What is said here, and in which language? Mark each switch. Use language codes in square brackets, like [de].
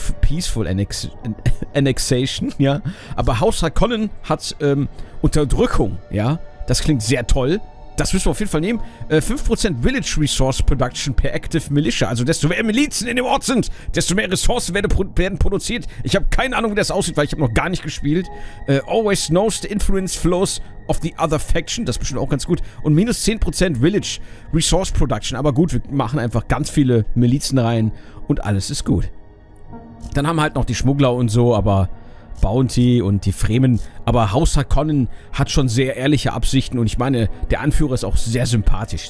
[de] Peaceful Annexation, ja. Aber Haus Harkonnen hat Unterdrückung, ja. Das klingt sehr toll. Das müssen wir auf jeden Fall nehmen. [en] 5% Village Resource Production per Active Militia. [de] Also desto mehr Milizen in dem Ort sind, desto mehr Ressourcen werden produziert. Ich habe keine Ahnung, wie das aussieht, weil ich habe noch gar nicht gespielt. [en] Always knows the influence flows of the other faction. [de] Das ist bestimmt auch ganz gut. Und minus 10% Village Resource Production. Aber gut, wir machen einfach ganz viele Milizen rein und alles ist gut. Dann haben wir halt noch die Schmuggler und so, aber Bounty und die Fremen. Aber Haus Harkonnen hat schon sehr ehrliche Absichten und ich meine, der Anführer ist auch sehr sympathisch.